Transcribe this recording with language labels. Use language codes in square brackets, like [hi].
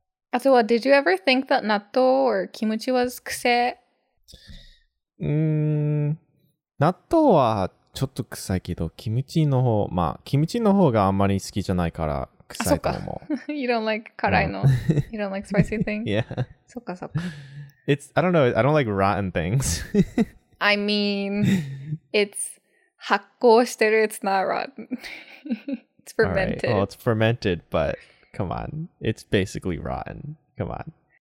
[en] あとは、did you ever think that natto or kimchi was 臭い？ [ja] 納豆はちょっと臭いけど、キムチの方、まあ、キムチの方があんまり好きじゃないから、臭いと思う。あ、そうか。 [en] You don't like 辛いの。You don't like spicy things? Yeah. [ja] そっかそっか。 [en] It's, I don't know, I don't like rotten things. I mean, it's [ja] 発酵してる、 [en] it's not rotten. It's fermented. Right. Well, it's fermented, but come on. It's basically rotten. Come on.